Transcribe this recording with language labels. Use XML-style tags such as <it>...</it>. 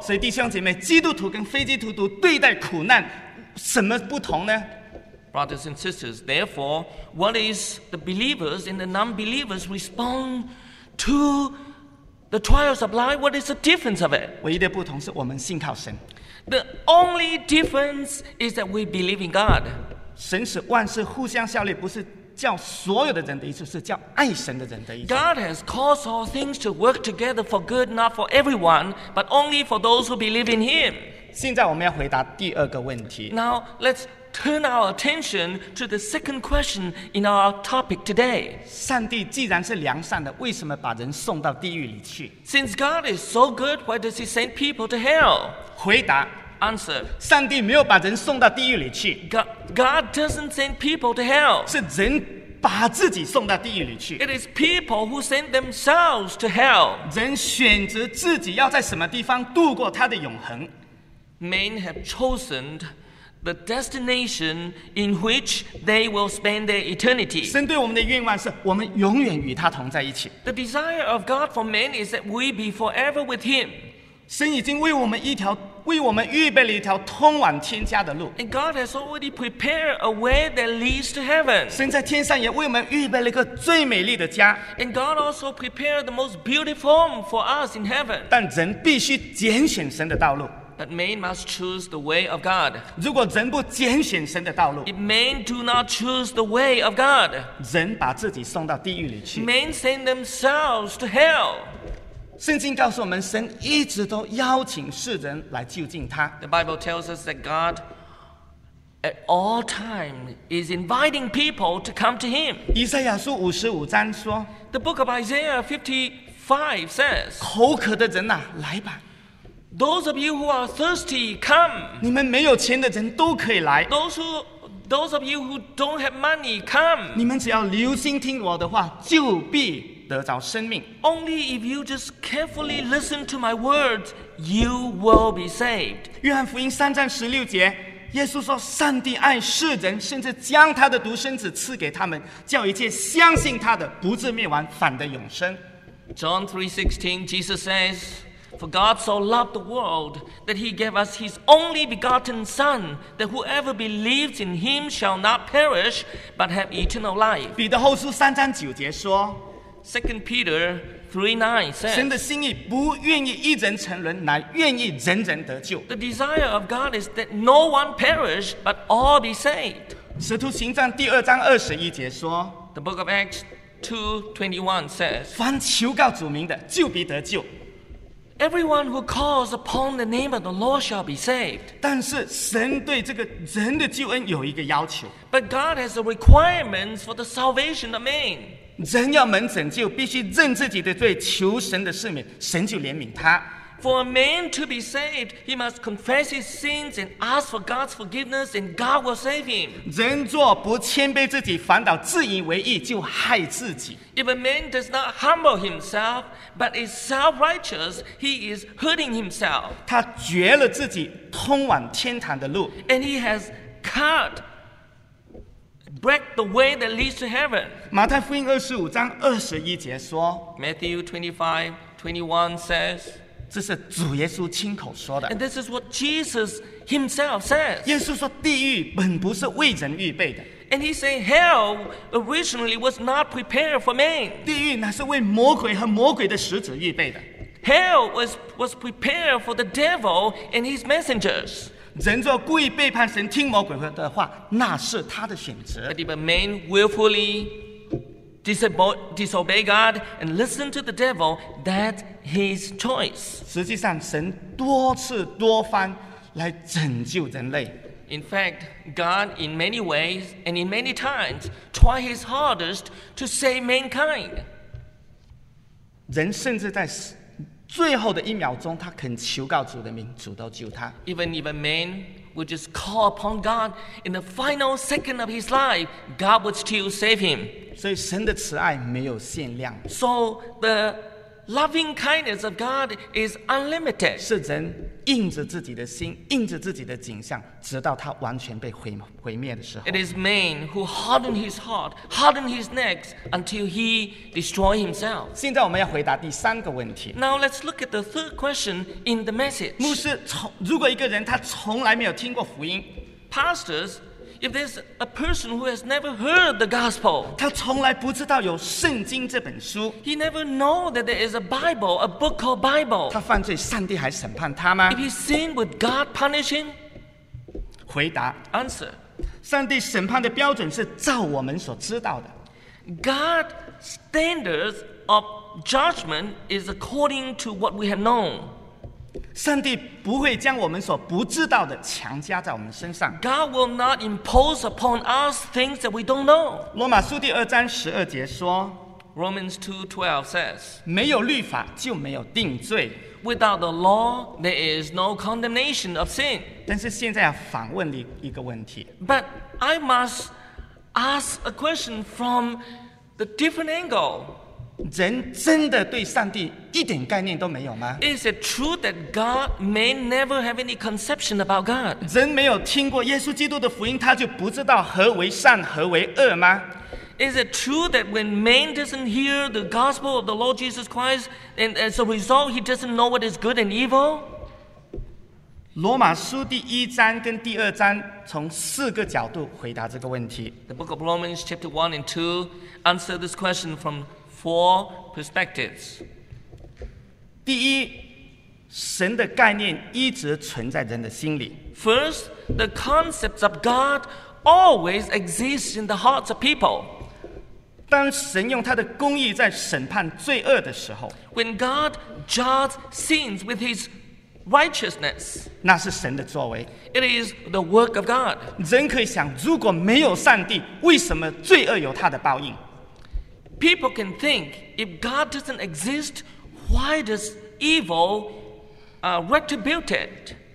<zh>所以弟兄姐妹，基督徒跟非基督徒对待苦难什么不同呢？</zh> <en>Brothers and sisters, therefore, what is the believers and the non-believers respond to the trials of life? What is the difference of it?</en> <zh>唯一的不同是我们信靠神。</zh> <en>The only difference is that we believe in God.</en> <zh>神使万事互相效力，不是叫所有的人的意思，是叫爱神的人的意思。</zh> <en>God has caused all things to work together for good, not for everyone, but only for those who believe in Him.</en> <zh>现在我们要回答第二个问题。</zh> <en>Now let's turn our attention to the second question in our topic today.</en> <zh>上帝既然是良善的，为什么把人送到地狱里去？</zh> <en>Since God is so good, why does He send people to hell?</en> <zh>回答</zh> <en>，Answer，</en> <zh>上帝没有把人送到地狱里去。</zh> <en>God doesn't send people to hell，</en> <zh>是人把自己送到地狱里去。</zh> <en>It is people who send themselves to hell，</en> <zh>人选择自己要在什么地方度过他的永恒。</zh> <en>Men have chosen the destination in which they will spend their eternity。</en> <zh>神对我们的愿望是我们永远与他同在一起。</zh> <en>The desire of God for men is that we be forever with Him。</en> <zh>神已经为我们预备了一条通往天家的路。</zh> <en>And God has already prepared a way that leads to heaven.</en> <zh>神在天上也为我们预备了一个最美丽的家。</zh> <en>And God also prepared the most beautiful home for us in heaven.</en> <zh>但人必须拣选神的道路。</zh> <en>But man must choose the way of God.</en> <zh>如果人不拣选神的道路，</zh> <en>If man do not choose the way of God,</en> <zh>人把自己送到地狱里去。</zh> <en>Men send themselves to hell.</en> <zh>圣经告诉我们，神一直都邀请世人来就近他。</zh> <en>The Bible tells us that God, at all time, is inviting people to come to Him.</en> <zh>以赛亚书五十五章说</zh> <en>，The book of Isaiah 55 says,</en> <zh>口渴的人呐、啊，来吧。</zh> <en>Those of you who are thirsty, come.</en> <zh>你们没有钱的人都可以来。</zh> <en>Those of you who don't have money, come.</en> <zh>你们只要留心听我的话，就必。</zh> <en>Only if you just carefully listen to my words, you will be saved.</en> <zh>约翰福音三章十六节，耶稣说：“上帝爱世人，甚至将他的独生子赐给他们，叫一切相信他的不至灭亡，反得永生。”</zh> <en>John 3:16, Jesus says, "For God so loved the world that He gave us His only begotten Son, that whoever believes in Him shall not perish, but have eternal life."</en> <zh>彼得后书三章九节说。</zh> <en>Second Peter 3:9 says,</en> <zh>神的心意不愿意一人沉沦，乃愿意人人得救。</zh> <en>The desire of God is that no one perish, but all be saved.</en> <zh>使徒行传第二章二十一节说，</zh> <en>The book of Acts 2:21 says,</en> <zh>凡求告主名的，就必得救。</zh> <en>Everyone who calls upon the name of the Lord shall be saved.</en> <zh>但是神对这个人的救恩有一个要求。</zh> <en>But God has a requirement for the salvation of man.</en> <zh>人要蒙拯救，必须认自己的罪，求神的赦免，神就怜悯他。</zh> <en>For a man to be saved, he must confess his sins and ask for God's forgiveness, and God will save him.</en> <zh>人若不谦卑自己，反倒自以为意，就害自己。</zh> <en>If a man does not humble himself, but is self-righteous, he is hurting himself.</en> <zh>他绝了自己通往天堂的路。</zh> <en>And he has cut. Break the way that leads to heaven.</en> <zh>马太福音二十五章二十一节说</zh> <en>，Matthew 25:21 says，</en> <zh>这是主耶稣亲口说的。</zh> <en>And this is what Jesus himself says.</en> <zh>耶稣说，地狱本不是为人预备的。</zh> <en>And he said, hell originally was not prepared for man.</en> <zh>地狱乃是为魔鬼和魔鬼的使者预备的。</zh> <en>Hell was prepared for the devil and his messengers.</en> <zh>人若故意背叛神，听魔鬼的话，那是他的选择。</zh> <en>But if a man willfully disobey God and listen to the devil, that's his choice.</en> <zh>实际上，神多次多番来拯救人类。</zh> <en>In fact, God in many ways and in many times tried his hardest to save mankind.</en> <zh>人甚至在最后的一秒钟，他肯求告主的名，主都救他。</zh> <en>Even if a man would just call upon God in the final second of his life, God would still save him.</en> <zh>所以神的慈爱没有限量。</zh> <en>So the Loving kindness of God is unlimited.</en> <zh>是人印着自己的心，印着自己的景象，直到他完全被毁灭的时候。</zh> <en>It is man who hardened his heart, hardened his neck until he destroyed himself.</en> <zh>现在我们要回答第三个问题。</zh> <en>Now let's look at the third question in the message.</en> <zh>牧师，如果一个人他从来没有听过福音</zh> <en>，Pastors。 If there's a person who has never heard the gospel,</en> <zh>他从来不知道有圣经这本书。</zh> <en>He never know that there is a Bible, a book called Bible.</en> <zh>他犯罪，上帝还审判他吗</zh> <en>？If he sin, would God punish him?</en> <zh>回答</zh> <en>，Answer.</en> <zh>上帝审判的标准是照我们所知道的。</zh> <en>God's standards of judgment is according to what we have known.</en> <zh>上帝不会将我们所不知道的强加在我们身上。</zh> <en>God will not impose upon us things that we don't know.</en> <zh>罗马书第二章十二节说</zh> <en>，Romans 2:12 says，</en> <zh>没有律法就没有定罪。</zh> <en>Without the law, there is no condemnation of sin.</en> <zh>但是现在要反问你一个问题。</zh> <en>But I must ask a question from the different angle.</en> <zh>人真的对上帝一点概念都没有吗</zh> <en>？Is it true that God may never have any conception about God？</en> <zh>人没有听过耶稣基督的福音，他就不知道何为善，何为恶吗</zh> <en>？Is it true that when man doesn't hear the gospel of the Lord Jesus Christ, and as a result, he doesn't know what is good and evil？</en> <zh>罗马书第一章跟第二章从四个角度回答这个问题。</zh> <en>The Book of Romans, Chapter 1 and 2, answer this question from Four perspectives.</en> <zh>第一，神的概念一直存在人的心里。</zh> <en>First, the concepts of God always exist in the hearts of people.</en> <zh>当神用他的公义在审判罪恶的时候</zh> <en>，When God judges sins with His righteousness，</en> <zh>那是神的作为。</zh> <en>It is the work of God.</en> <zh>人可以想，如果没有上帝，为什么罪恶有他的报应？</zh> <en>People can think, if God doesn't exist, why does evil retribute it?</en>